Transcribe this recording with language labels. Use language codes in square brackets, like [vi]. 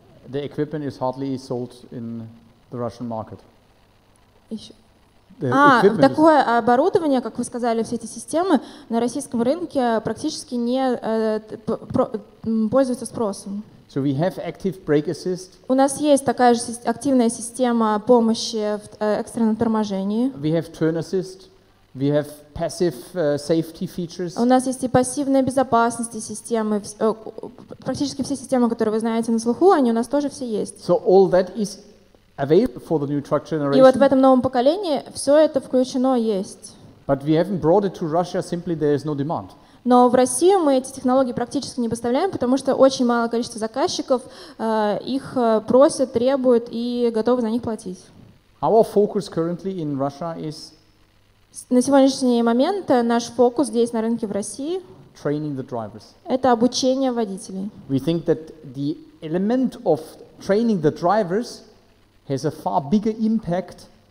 [en] The equipment is hardly sold in the Russian market. [ru] Такое оборудование, как вы сказали, все эти системы на российском рынке практически не пользуются спросом. [en] So we have active brake assist. [ru] У нас есть такая же активная система помощи в экстренном торможении. [en] We have turn assist. We have passive safety features. [ru] У нас есть и пассивная безопасность, и системы, практически все системы, которые вы знаете на слуху, они у нас тоже все есть. [en] So all that is available for the new truck generation. [ru] И вот в этом новом поколении все это включено есть. [en] But we haven't brought it to Russia, simply there is no demand. [ru] Но в Россию мы эти технологии практически не поставляем, потому что очень мало количество заказчиков их просят, требуют и готовы за них платить. [en] Our focus currently in Russia is [ru] на сегодняшний момент наш фокус здесь, на рынке в России, [en] training the drivers. [ru] Это обучение водителей. [en] We think that the element of training the drivers has a far bigger impact.